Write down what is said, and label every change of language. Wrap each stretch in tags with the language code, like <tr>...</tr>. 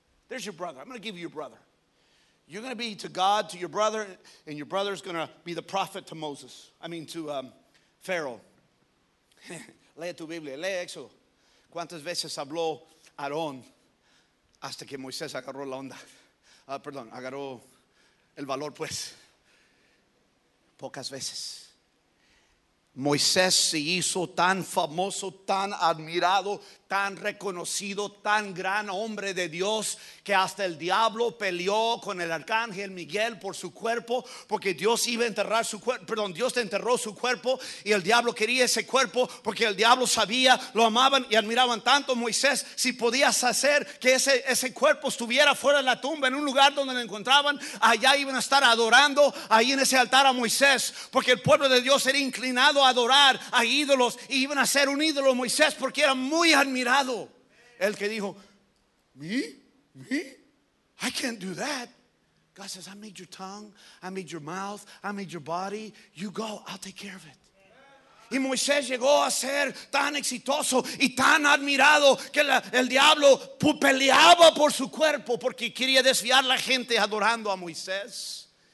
<en>There's your brother. I'm going to give you your brother. You're going to be to God, to your brother, and your brother's going to be the prophet to Moses.</en> <es>Pharaoh. Lee tu Biblia, lee eso. ¿Cuántas veces habló Aarón hasta que Moisés agarró la onda? Agarró el valor, pues. Pocas veces. Moisés se hizo tan famoso, tan admirado, tan reconocido, tan gran hombre de Dios, que hasta el diablo peleó con el arcángel Miguel por su cuerpo, porque Dios iba a enterrar su cuerpo. Perdón, Dios enterró su cuerpo y el diablo quería ese cuerpo, porque el diablo sabía, lo amaban y admiraban tanto a Moisés, si podías hacer que ese cuerpo estuviera fuera de la tumba, en un lugar donde lo encontraban, allá iban a estar adorando ahí en ese altar a Moisés, porque el pueblo de Dios era inclinado a adorar a ídolos y iban a ser un ídolo a Moisés, porque era muy admirado. El que dijo:</es> <en>¿Me? I can't do that. God says, I made your tongue, I made your mouth, I made your body. You go, I'll take care of it.</en> <es>Y Moisés llegó a ser tan exitoso y tan admirado que el diablo peleaba por su cuerpo, porque quería desviar la gente adorando a Moisés.</es>